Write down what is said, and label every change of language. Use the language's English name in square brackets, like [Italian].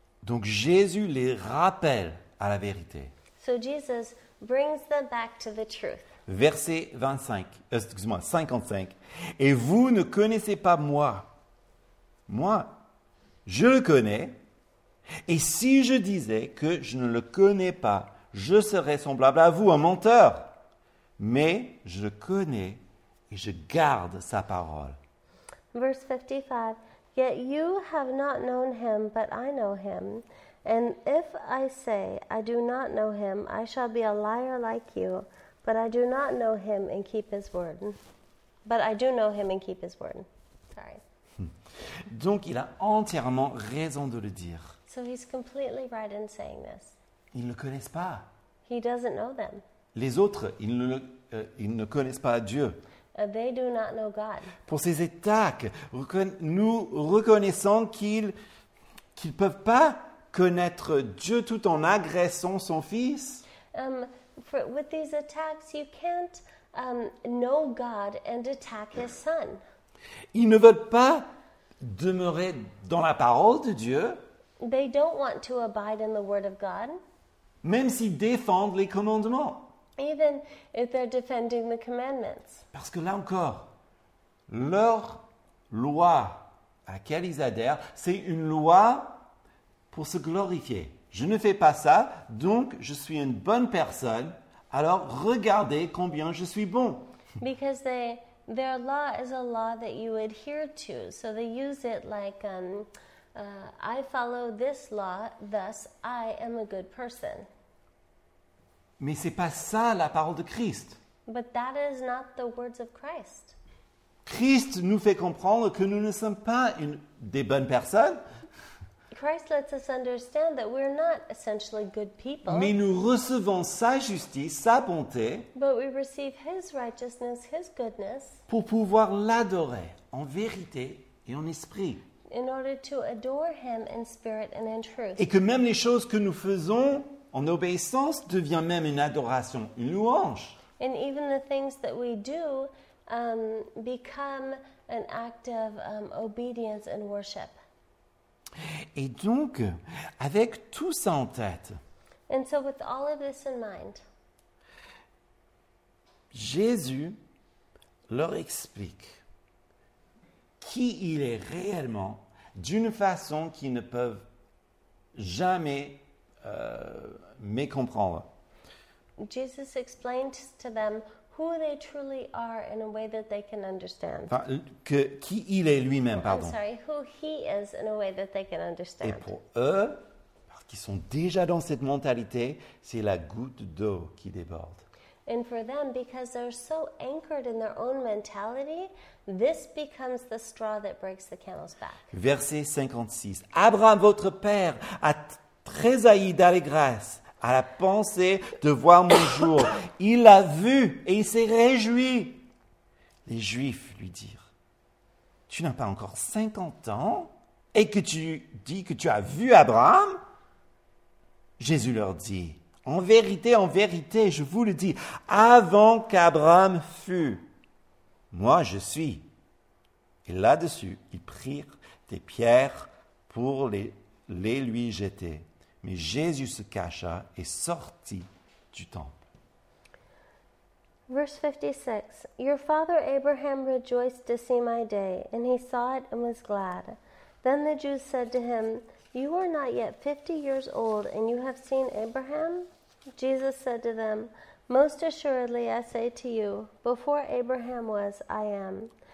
[French] Donc Jésus les rappelle à la vérité. [English] So Jesus brings them back to the truth. [French] Verset 55. Et vous ne connaissez pas moi. Moi, je le connais. Et si je disais que je ne le connais pas, je serais semblable à vous, un menteur. Mais je le connais et je garde sa parole. [English] Verse 55. Yet you have not known him, but I know him. And if I say I do not know him, I shall be a liar like you. But I do not know him and keep his word. But I do know him and keep his word. Sorry. [French] Donc il a entièrement raison de le dire. [English] So he's completely right in saying this. [French] Ils ne le connaissent pas. [English] He doesn't know them. [French] Les autres, ils ne connaissent pas Dieu. [English] They do not know God. [French] Pour ces attaques, nous reconnaissons qu'ils ne peuvent pas connaître Dieu tout en agressant son Fils. [English] With these attacks, you can't know God and attack his son. [French] Ils ne veulent pas demeurer dans la parole de Dieu. [English] They don't want to abide in the word of God. [French] Même s'ils défendent les commandements. [English] Even if they're defending the commandments. [French] Parce que là encore, leur loi à laquelle ils adhèrent, c'est une loi pour se glorifier. Je ne fais pas ça, donc je suis une bonne personne. Alors regardez combien je suis bon. [English] Because their law is a law that you adhere to. So they use it like, I follow this law, thus I am a good person. [French] Mais ce n'est pas ça la parole de Christ. [English] But that is not the words of Christ. [French] Christ nous fait comprendre que nous ne sommes pas des bonnes personnes. [English] Christ lets us understand that we're not essentially good people. [French] Mais nous recevons sa justice, sa bonté. [English] But we receive his righteousness, his goodness. [French] Pour pouvoir l'adorer en vérité et en esprit. [English] In order to adore him in spirit and in truth. [French] Et que même les choses que nous faisons en obéissance devient même une adoration, une louange. [English] And even the things that we do become an act of obedience and worship. [French] Et donc, avec tout ça en tête, [English] and so with all of this in mind, [French] Jésus leur explique qui il est réellement d'une façon qu'ils ne peuvent jamais mécomprendre. [English] Jesus explained to them who they truly are in a way that they can understand. [French] Enfin, qui il est lui-même, pardon. [English] I'm sorry, who he is in a way that they can understand. [French] Et pour eux, parce qu'ils sont déjà dans cette mentalité, c'est la goutte d'eau qui déborde. [English] And for them, because they're so anchored in their own mentality, this becomes the straw that breaks the camel's back. [French] Verset 56. Abraham, votre père, a tressailli d'allégresse à la pensée de voir mon jour. Il l'a vu et il s'est réjoui. Les Juifs lui dirent, tu n'as pas encore 50 ans et que tu dis que tu as vu Abraham? Jésus leur dit, en vérité, je vous le dis, avant qu'Abraham fût, moi je suis. Et là-dessus, ils prirent des pierres pour les lui jeter. Mais Jésus se cacha et sortit du temple. [English] Verse 56. Your father Abraham rejoiced to see my day, and he saw it and was glad. Then the Jews said to him, you are not yet 50 years old, and you have seen Abraham? Jesus said to them, most assuredly I say to you, before Abraham was, I am.